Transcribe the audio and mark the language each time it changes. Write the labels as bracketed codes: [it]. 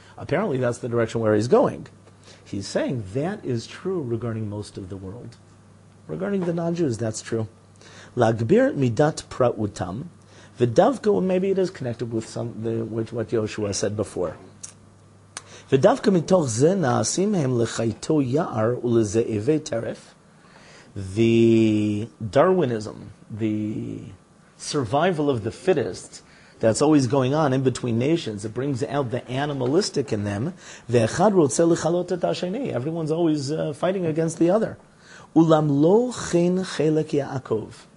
[en] Apparently, that's the direction where he's going. He's saying that is true regarding most of the world, regarding the non-Jews. That's true. [he] Lagbir midat prautam, v'davka. [en] Maybe it is connected with what Yehoshua said before. [he] ודווקא מתוך זה נעשים הם לחייתו יער ולזאבי טרף. [en] The Darwinism, the survival of the fittest, that's always going on in between nations. It brings out the animalistic in them. [he] ואחד רוצה לחלות את השני. [en] Everyone's always fighting against the other. [he] אולם לא חן חלק יעקב.